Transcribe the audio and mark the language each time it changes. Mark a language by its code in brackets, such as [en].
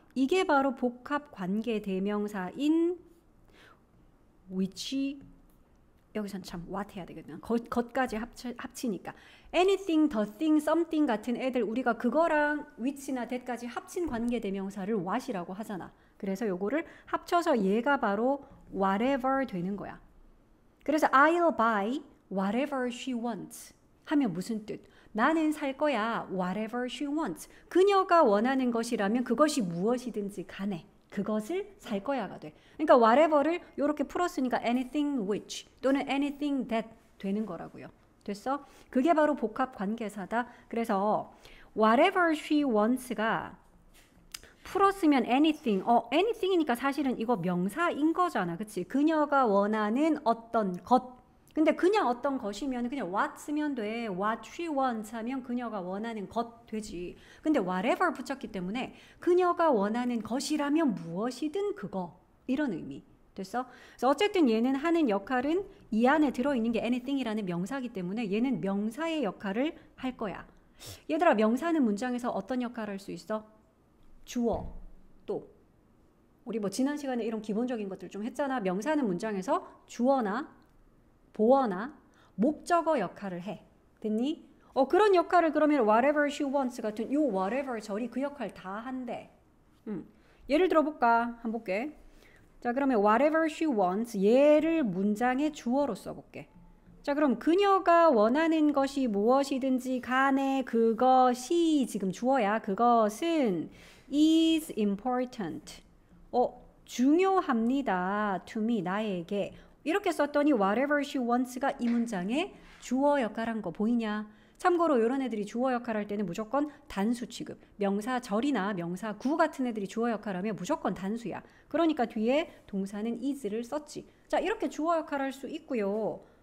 [ko] 이게 바로 복합 관계 대명사인 which. 여기선 참 what 해야 되거든. 것까지 합치니까 [en] anything, the thing, something [ko] 같은 애들 우리가 그거랑 which나 that까지 합친 관계대명사를 what이라고 하잖아. 그래서 요거를 합쳐서 얘가 바로 whatever 되는 거야. 그래서 [en] I'll buy whatever she wants [ko] 하면 무슨 뜻? 나는 살 거야. [en] Whatever she wants. [ko] 그녀가 원하는 것이라면 그것이 무엇이든지 간에. 그것을 살 거야가 돼. 그러니까 whatever를 이렇게 풀었으니까 [en] anything which [ko] 또는 [en] anything that [ko] 되는 거라고요. 됐어? 그게 바로 복합 관계사다. 그래서 [en] whatever she wants [ko] 가 풀었으면 anything. anything이니까 사실은 이거 명사인 거잖아. 그치? 그녀가 원하는 어떤 것. 근데 그냥 어떤 것이면 그냥 what 쓰면 돼. [en] what she wants [ko] 하면 그녀가 원하는 것 되지. 근데 whatever 붙였기 때문에 그녀가 원하는 것이라면 무엇이든 그거. 이런 의미. 됐어? 그래서 어쨌든 얘는 하는 역할은 이 안에 들어있는 게 anything이라는 명사이기 때문에 얘는 명사의 역할을 할 거야. 얘들아, 명사는 문장에서 어떤 역할을 할수 있어? 주어, 또. 우리 뭐 지난 시간에 이런 기본적인 것들 좀 했잖아. 명사는 문장에서 주어나 보어나 목적어 역할을 해. 됐니? 그런 역할을 그러면 [en] whatever she wants [ko] 같은 요 whatever 절이 그 역할 다 한대. 예를 들어볼까? 한번 볼게. 자, 그러면 [en] whatever she wants [ko] 얘를 문장의 주어로 써볼게. 자, 그럼 그녀가 원하는 것이 무엇이든지 간에 그것이 지금 주어야. 그것은 [en] is important. [ko] 중요합니다. [en] to me [ko] 나에게. 이렇게 썼더니 [en] whatever she wants [ko] 가 이 문장의 주어 역할한 거 보이냐? 참고로 이런 애들이 주어 역할할 때는 무조건 단수 취급. 명사 절이나 명사 구 같은 애들이 주어 역할하면 무조건 단수야. 그러니까 뒤에 동사는 is를 썼지. 자, 이렇게 주어 역할할 수 있고요.